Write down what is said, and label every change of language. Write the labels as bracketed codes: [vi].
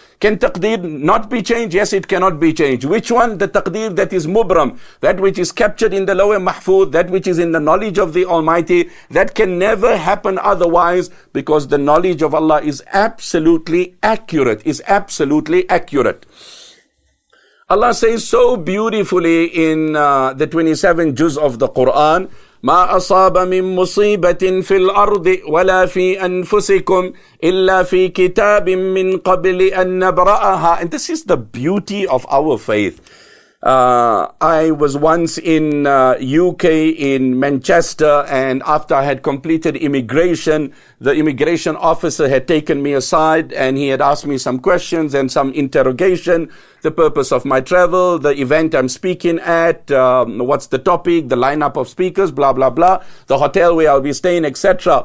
[en] Can taqdeer not be changed? Yes, it cannot be changed. Which one? The taqdeer that is mubram, that which is captured in the lower mahfuz, that which is in the knowledge of the Almighty, that can never happen otherwise because the knowledge of Allah is absolutely accurate, is absolutely accurate. Allah says so beautifully in the 27th juz of the Quran, [ar] ما أصاب من مصيبة في الأرض ولا في أنفسكم إلا في كتاب من قبل أن نبرأها. [en] And this is the beauty of our faith. I was once in UK in Manchester, and after I had completed immigration, the immigration officer had taken me aside and he had asked me some questions and some interrogation, the purpose of my travel, the event I'm speaking at, what's the topic, the lineup of speakers, blah, blah, blah, the hotel where I'll be staying, etc.